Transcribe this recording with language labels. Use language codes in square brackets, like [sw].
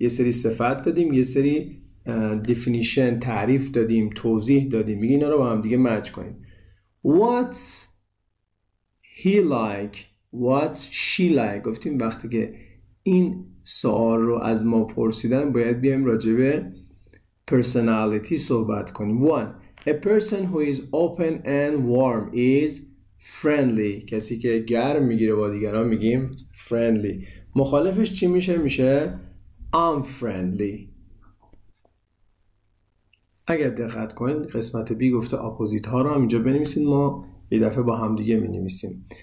[fa] یه سری صفت دادیم یه سری definition تعریف دادیم توضیح دادیم میگه اینا رو با هم دیگه match کنیم. [en] What's he like? What's she like? [fa] گفتیم وقتی که این سوال رو از ما پرسیدن باید بیایم راجع به personality صحبت کنیم. [en] One, a person who is open and warm is friendly. [fa] کسی که گرم میگیره با دیگران میگیم friendly. مخالفش چی میشه؟ میشه unfriendly. اگر دقت کنید قسمت B گفته اپوزیت ها رو هم اینجا بنویسید ما یه دفعه با هم دیگه می‌نویسیم.